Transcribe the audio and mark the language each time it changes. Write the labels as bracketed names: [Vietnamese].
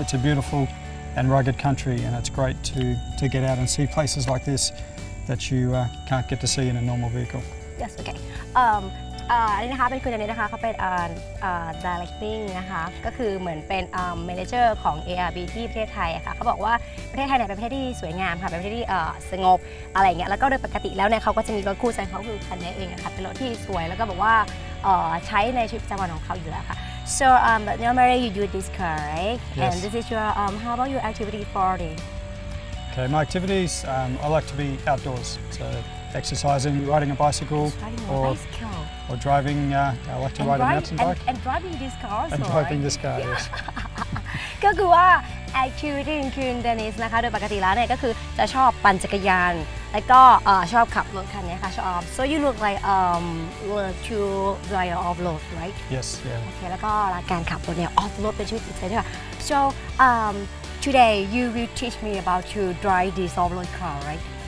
[English] It's a beautiful and rugged country, and it's great to get out and see places like this that you can't get to see in a normal vehicle. Yes, okay. [Thai] อันนี้นะคะเป็นคุณอันนี้นะคะเขาเป็นdirecting นะคะก็คือเหมือนเป็น manager ของ ARB ที่ประเทศไทยอะค่ะเขาบอกว่าประเทศไทยเนี่ยเป็นประเทศที่สวยงามค่ะเป็นประเทศที่สงบอะไรเงี้ยแล้วก็โดยปกติแล้วเนี่ยเขาก็จะมีรถคู่ใจเขาคือคันนี้เองอะค่ะเป็นรถที่สวยแล้วก็บอกว่าใช้ในชีวิตประจำวันของเขาอยู่แล้วค่ะ [English] so but normally you do this car right yes. and this is your how about your activity for day okay my activities I like to be outdoors soExercising, riding a bicycle, or driving. I like to ride a mountain bike. And driving this car also. And driving this car, yes. [Thai] ก็คือว่า activity คุณเดนิสนะคะโดยปกติแล้วเนี่ยก็คือจะชอบปั่นจักรยานแล้วก็ชอบขับรถคันนี้ค่ะชอบ [English] So you look like to drive off road, right? Yes, yeah. Okay, [Thai] แล้วก็การขับรถเนี่ย off road เป็นชีวิตจริงๆด้วย [English] So today you will teach me about to drive this off road car, right?